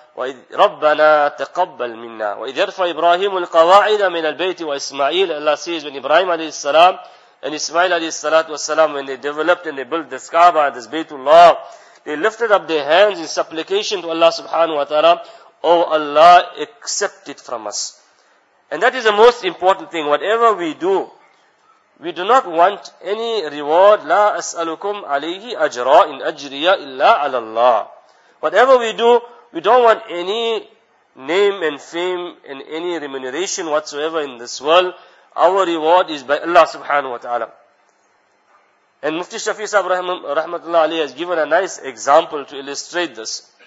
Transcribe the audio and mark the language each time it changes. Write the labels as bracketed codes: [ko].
[ar] وَإِذْ رَبَّنَا تَقَبَّلْ مِنَّا وَإِذْ يَرْفَ إِبْرَاهِيمُ الْقَوَاعِدَ مِنَ الْبَيْتِ وَإِسْمَعِيلَ [en] Allah says when Ibrahim alayhi salam and Ismail alayhi salatu wasalam, when they developed and they built this Kaaba, this Baytullah, they lifted up their hands in supplication to Allah subhanahu wa ta'ala. Oh Allah, accept it from us. And that is the most important thing. Whatever we do not want any reward. [ar] لا أسألكم عليه أجرا إن أجري إلا على الله. [en] Whatever we do, we don't want any name and fame and any remuneration whatsoever in this world. Our reward is by Allah subhanahu wa ta'ala. And Mufti Shafi Sahib rahmatullah alayhi has given a nice example to illustrate this.